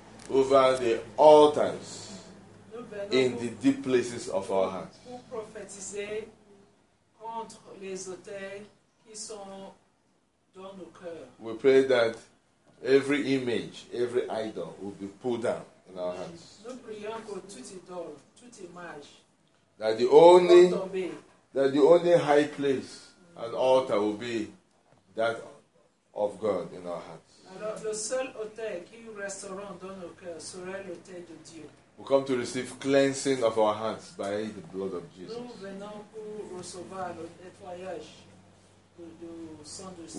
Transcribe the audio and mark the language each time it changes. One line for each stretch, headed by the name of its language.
English: Over the altars in the deep places of our hearts.
French: Pour prophétiser contre les autels qui sont dans nos cœurs.
English: We pray that every image, every idol will be pulled down in our hearts.
French: Nous prions pour toute idole, toute image.
English: That the only high place and altar will be that of God in our hearts.
French: Alors, le seul hôtel qui restera dans nos cœurs sera l'hôtel de Dieu.
English: We come to receive cleansing of our hearts by the blood of Jesus.
French: Nous venons pour recevoir le nettoyage du sang de Jésus.